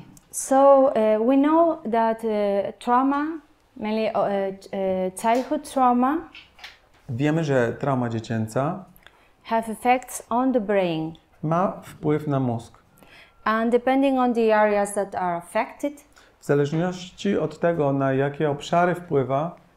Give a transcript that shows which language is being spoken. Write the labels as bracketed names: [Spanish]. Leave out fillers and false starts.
[English] So we know that trauma, mainly childhood trauma. [Polish] Wiemy, że trauma dziecięca [English] have effects on the brain. [Polish] Ma wpływ na mózg. [English] And depending on the areas that are affected, [Polish] w zależności od tego, na jakie obszary wpływa,